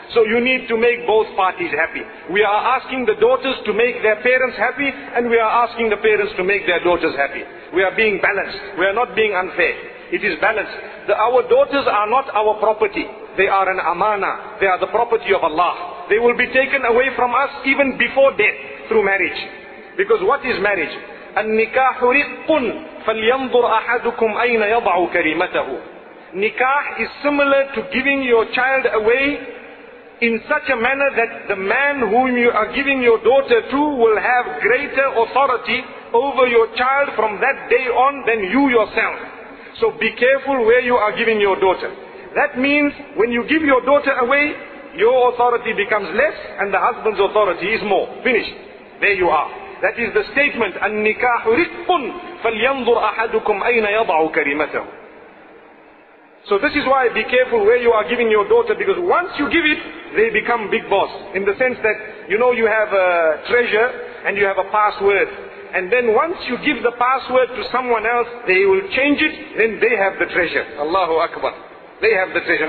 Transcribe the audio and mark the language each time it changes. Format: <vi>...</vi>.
<en>So you need to make both parties happy. We are asking the daughters to make their parents happy, and we are asking the parents to make their daughters happy. We are being balanced. We are not being unfair. It is balanced. Our daughters are not our property. They are an amana. They are the property of Allah. They will be taken away from us even before death through marriage. Because what is marriage?</en> <ar>النكاح رق فلينظر أحدكم أين يضع كريمته.</ar> <en>Nikah is similar to giving your child away in such a manner that the man whom you are giving your daughter to will have greater authority over your child from that day on than you yourself. So be careful where you are giving your daughter. That means when you give your daughter away, your authority becomes less and the husband's authority is more. Finished. There you are. That is the statement,</en> <ar>النِّكَاحُ رِقٌّ فَلْيَنْظُرْ أَحَدُكُمْ أَيْنَ يَضَعُ كَرِيمَتَهُ.</ar> <en>So this is why be careful where you are giving your daughter, because once you give it, they become big boss. In the sense that, you know, you have a treasure and you have a password. And then once you give the password to someone else, they will change it, then they have the treasure. Allahu Akbar. They have the treasure.</en>